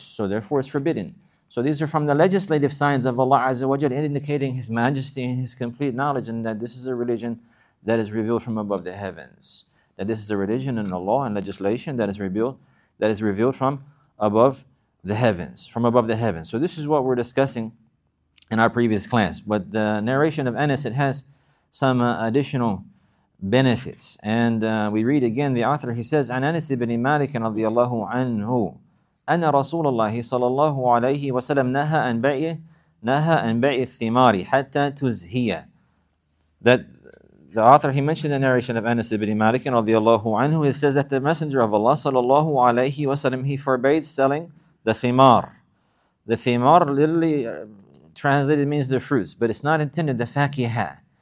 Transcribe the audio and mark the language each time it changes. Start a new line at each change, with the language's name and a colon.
English: So therefore it's forbidden. So these are from the legislative signs of Allah Azza wa Jalla, indicating His majesty and His complete knowledge, and that this is a religion that is revealed from above the heavens. That this is a religion and a law and legislation that is revealed from above the heavens. So this is what we're discussing in our previous class. But the narration of Anas, it has some additional benefits. And we read again, the author, he says,
Arabic: عن أنس بن مالك رضي الله عنه أن رسول الله صلى الله عليه وسلم نهى أن بيع الثمار حتى تزهي.
English: That the author, he mentioned the narration of Anas ibn Malik رضي الله عنه. He says that the Messenger of Allah صلى الله عليه وسلم, he forbade selling the thimar. The thimar literally translated means the fruits, but it's not intended the fakiha.